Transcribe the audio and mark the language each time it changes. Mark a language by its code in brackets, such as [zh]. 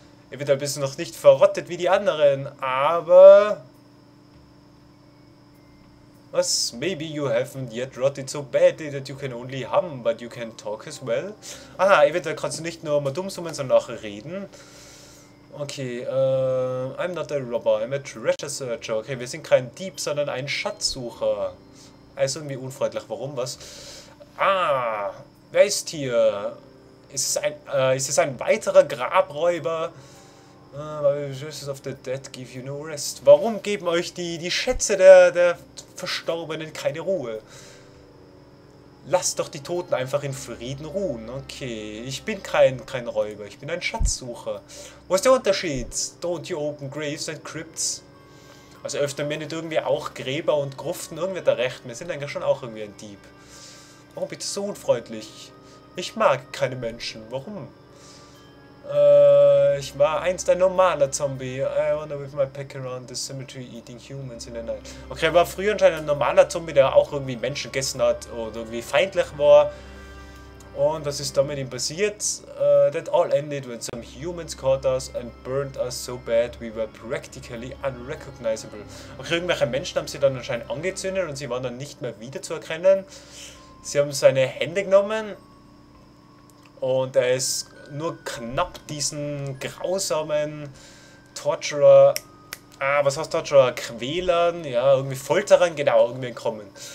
[de] Eventuell bist du noch nicht verrottet wie die anderen, aber. Was? [en] Maybe you haven't yet rotted so badly that you can only hum, but you can talk as well. [de] Aha, eventuell kannst du nicht nur mal dumm summen, sondern auch reden. [en] Okay, I'm not a robber, I'm a treasure searcher. [de] Okay, wir sind kein Dieb, sondern ein Schatzsucher. Also irgendwie unfreundlich, warum was? Ah, wer ist hier? Ist es ein weiterer Grabräuber? [en] Jesus of the dead give you no rest. [de] Warum geben euch die Schätze der Verstorbenen keine Ruhe? Lass doch die Toten einfach in Frieden ruhen. Okay, ich bin kein Räuber, ich bin ein Schatzsucher. Wo ist der Unterschied? [en] Don't you open graves and crypts? [de] Also öffnen wir nicht irgendwie auch Gräber und Gruften irgendwie da recht. Wir sind eigentlich schon auch irgendwie ein Dieb. Warum bist du so unfreundlich? Ich mag keine Menschen. Warum? Ich war einst ein normaler Zombie. [en] I wonder with my pack around the cemetery eating humans in the night. [de] Okay, war früher anscheinend ein normaler Zombie, der auch irgendwie Menschen gegessen hat oder irgendwie feindlich war. Und was ist da mit ihm passiert? [en] That all ended when some humans caught us and burned us so bad we were practically unrecognizable. [de] Okay, irgendwelche Menschen haben sie dann anscheinend angezündet und sie waren dann nicht mehr wiederzuerkennen. Sie haben seine Hände genommen und er ist nur knapp diesen grausamen Torturer, was heißt Torturer, Quälern, ja, irgendwie Folterern, genau, irgendwie entkommen.